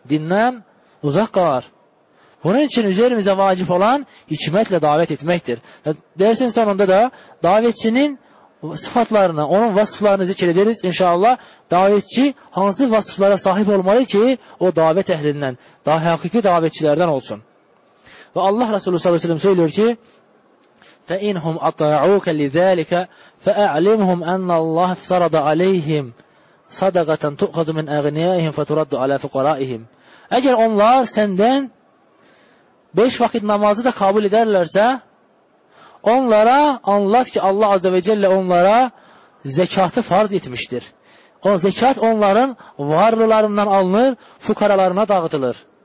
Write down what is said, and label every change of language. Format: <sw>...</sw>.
<tr>Dinlen, uzak kalır. Bunun için üzerimize vacip olan hikmetle davet etmektir. Dersin sonunda da davetçinin sıfatlarını, onun vasıflarını zikrederiz inşallah. Davetçi hangi vasıflara sahip olmalı ki o davet ehlinden, daha hakiki davetçilerden olsun. Ve Allah Resulü sallallahu aleyhi ve sellem söylüyor ki</tr> <ar>فَاِنْهُمْ اَطَاعُوكَ لِذَٰلِكَ فَاَعْلِمْهُمْ اَنَّ اللّٰهَ اَفْتَرَضَ عَلَيْهِمْ صَدَقَةً تُؤْخَذُ مِنْ اَغْنِيَائِهِمْ فَتُرَدُّ عَلَى فُقَرَائِهِمْ.</ar> <tr>Eğer onlar senden 5 vakit namazı da kabul ederlerse onlara anlat ki Allah Azze ve Celle onlara zekatı farz etmiştir. O zekat onların varlılarından alınır, fukaralarına dağıtılır.</tr>